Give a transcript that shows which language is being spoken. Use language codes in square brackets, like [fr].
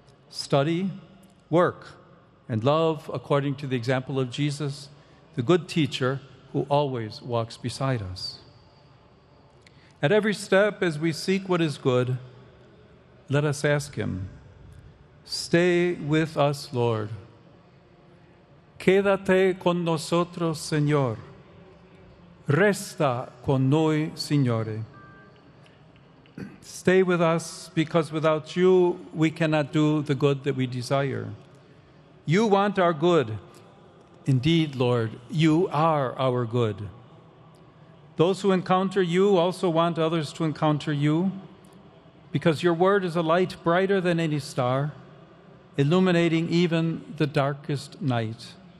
[en] Study, work, and love according to the example of Jesus, the good teacher who always walks beside us. At every step, as we seek what is good, let us ask him, stay with us, Lord. [es] Quédate con nosotros, Señor. [it] Resta con noi, Signore. [en] Stay with us, because without you, we cannot do the good that we desire. You want our good. Indeed, Lord, you are our good. Those who encounter you also want others to encounter you, because your word is a light brighter than any star, illuminating even the darkest night.